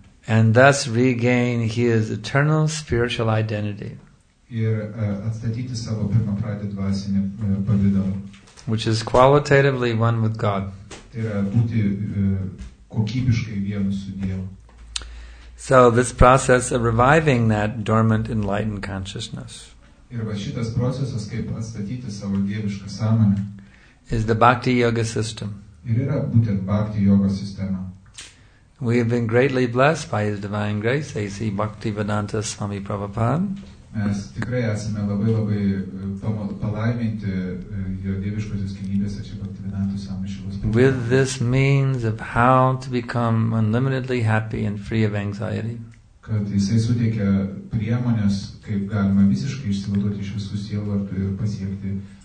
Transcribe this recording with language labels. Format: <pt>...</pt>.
<en>And thus regain his eternal spiritual identity.</en> <lt>Ir atstatyti savo pirmapradį dvasinį pavidalą.</lt> <en>Which is qualitatively one with God.</en> <lt>Tai yra būti kokybiškai vienu su Dievu.</lt> <en>So this process of reviving that dormant enlightened consciousness.</en> <lt>Ir va šitas procesas, kaip atstatyti savo dievišką sąmonę.</lt> <en>Is the Bhakti Yoga system.</en> <lt>Ir yra būtent Bhakti Yoga sistema.</lt> <en>We have been greatly blessed by His Divine Grace, A.C. Bhaktivedanta Swami Prabhupada.</en> <lt>Mes tikrai esame labai palaiminti jo dieviškosios kilnybės ir Bhaktivedanta Swami Prabhupada.</lt> <en>With this means of how to become unlimitedly happy and free of anxiety.</en> <lt>Kad jisai suteikia priemonės, kaip galima visiškai išsivaduoti iš visų sielvartų ir pasiekti.</lt>